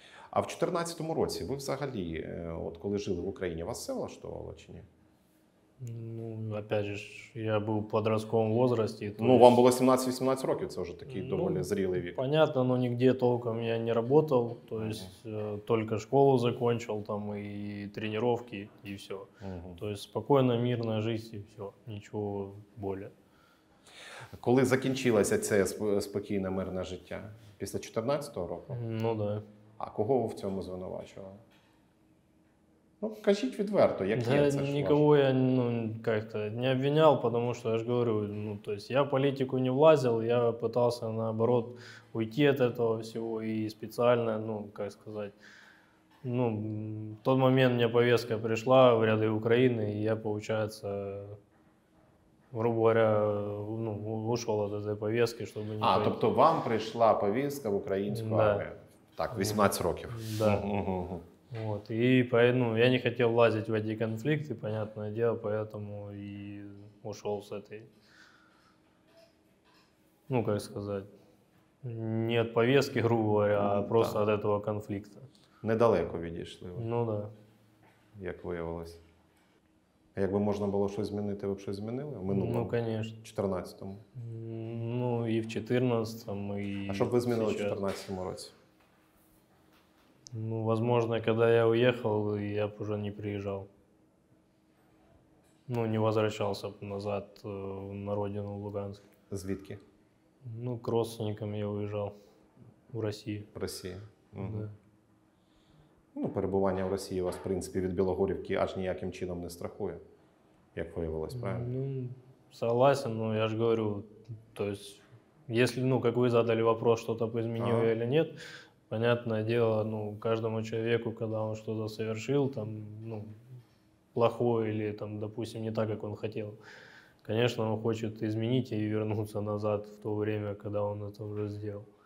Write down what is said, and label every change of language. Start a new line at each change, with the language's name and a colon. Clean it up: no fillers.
Ukrainian: А в 14-му році ви взагалі, от коли жили в Україні, вас все влаштовувало чи ні? Ну, опять ж, я був у подростковому возрасті. Ну, вам було 17-18 років, це вже такий доволі зрілий вік. Понятно, но нигде толком я не работал. То есть, только школу закончил, там, и тренировки, и все. То есть, спокойно, мирно жить, и все. Нічого более. Коли закінчилося це спокійне, мирне життя? Після 14-го року? Ну, да. А кого ви в цьому звинувачували? Ну, кажіть відверто, як є це ж ваше? Нікого я, ну, як-то не обвиняв, тому що я ж говорю, ну, то есть, я в політику не влазив,
Russian: я пытался, наоборот, уйти
Ukrainian: від цього всього і спеціально, ну, як сказати, ну, в той момент мені повестка прийшла в ряди України, і я, виходить,
Russian: грубо говоря, ну, ушел
Ukrainian: от цієї повестки, щоб не...
Russian: А, пойти.
Ukrainian: Тобто вам прийшла повестка в українську да. армію? Так, 18 років. Да. Угу.
Russian: Вот, и ну, я не хотел лазить в эти конфликты, понятное дело, поэтому и ушел с этой, ну, как сказать, не от повестки, грубо говоря, а просто да. от этого конфликта.
Ukrainian: Недалеко відійшли. Ну, да. Як виявилось. Якби можна було щось змінити, ви б щось змінили? Минулому?
Russian: Ну, конечно.
Ukrainian: В 14-му?
Russian: Ну, и в 14-му, и А что бы вы изменили в 14-му році? Ну, возможно, когда я уехал, я бы уже не приезжал. Ну, не возвращался назад на родину в Луганск.
Ukrainian: Звідки?
Russian: Ну, к родственникам я уезжал. В Россию. В Россию. Угу. Да.
Ukrainian: Ну, перебування в Росії вас, в принципі, від Білогорівки аж ніяким чином не страхує, як виявилось, правильно?
Russian: Ну, согласен, но я ж говорю, то есть, если, ну, как вы задали вопрос, что-то изменил или нет, понятное дело, ну, каждому человеку, когда он что-то совершил, там, ну, плохое или, там, допустим, не так, как он хотел, конечно, он хочет изменить и вернуться назад в то время, когда он это уже сделал.